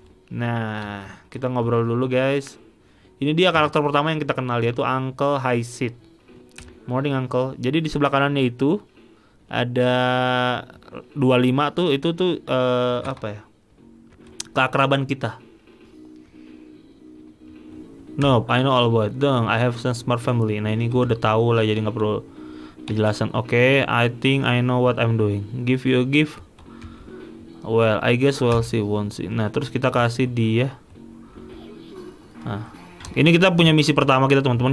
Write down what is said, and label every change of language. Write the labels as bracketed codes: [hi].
[id] Nah, kita ngobrol dulu guys. Ini dia karakter pertama yang kita kenal, yaitu Uncle Highseed. [en] Morning Uncle. [id] Jadi di sebelah kanannya itu ada 25 tuh, itu tuh apa ya, keakraban kita. [en] Nope, I know all about them. I have some smart family. [id] Nah ini gue udah tahu lah, jadi nggak perlu penjelasan. [en] Oke, okay, I think I know what I'm doing. Give you a gift. Well, I guess we'll see, won't see. [id] Nah terus kita kasih dia. Nah, ini kita punya misi pertama kita teman-teman.